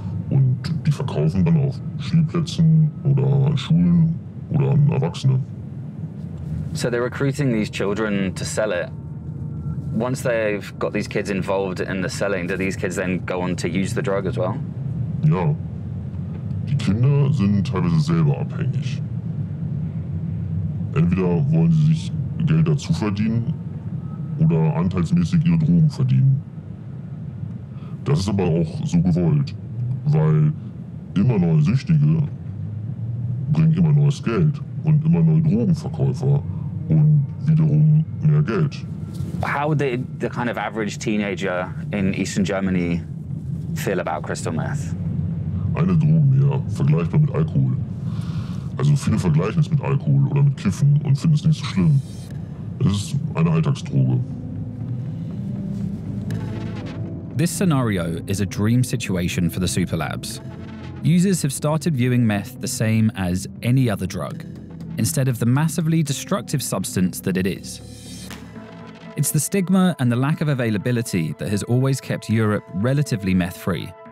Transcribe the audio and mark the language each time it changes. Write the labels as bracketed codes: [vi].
[de] Und die verkaufen dann auf Spielplätzen oder an Schulen oder an Erwachsene. [en] So they're recruiting these children to sell it. Once they've got these kids involved in the selling, do these kids then go on to use the drug as well? [de] Ja. Die Kinder sind teilweise selber abhängig. Entweder wollen sie sich Geld dazu verdienen oder anteilsmäßig ihre Drogen verdienen. Das ist aber auch so gewollt, weil immer neue Süchtige bringen immer neues Geld und immer neue Drogenverkäufer und wiederum mehr Geld. [en] How did the kind of average teenager in Eastern Germany feel about crystal meth? [de] Eine Droge mehr, vergleichbar mit Alkohol. Also viele vergleichen es mit Alkohol oder mit Kiffen und finden es nicht so schlimm. Es ist eine Alltagsdroge. [en] This scenario is a dream situation for the Superlabs. Users have started viewing meth the same as any other drug, instead of the massively destructive substance that it is. It's the stigma and the lack of availability that has always kept Europe relatively meth-free.